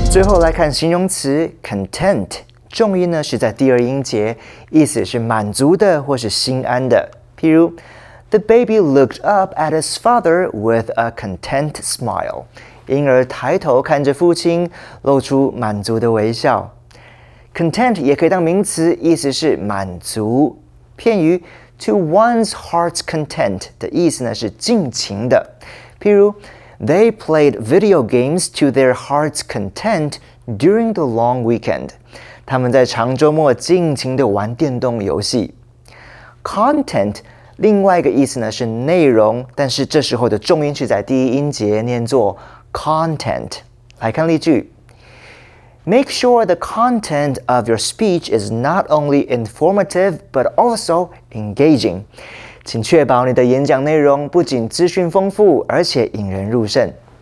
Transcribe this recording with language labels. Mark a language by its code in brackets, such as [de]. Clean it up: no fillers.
[zh] Content， 重音呢是在第二音节，意思是满足的或是心安的。 [en] 譬如 ，The baby looked up at his father with a content smile。 [zh] 婴儿抬头看着父亲，露出满足的微笑。 Content 也可以当名词，意思是满足。片语 [en] to one's heart's content [zh] 的意思呢是尽情的。 [en] 譬如 ，They played video games to their heart's content during the long weekend。 [zh] 他们在长周末尽情地玩电动游戏。 Content 另外一个意思呢是内容，但是这时候的重音是在第一音节，念作。Content. 来看例句。 [en] Make sure the content of your speech is not only informative, but also engaging. [zh] 请确保你的演讲内容不仅资讯丰富，而且引人入胜。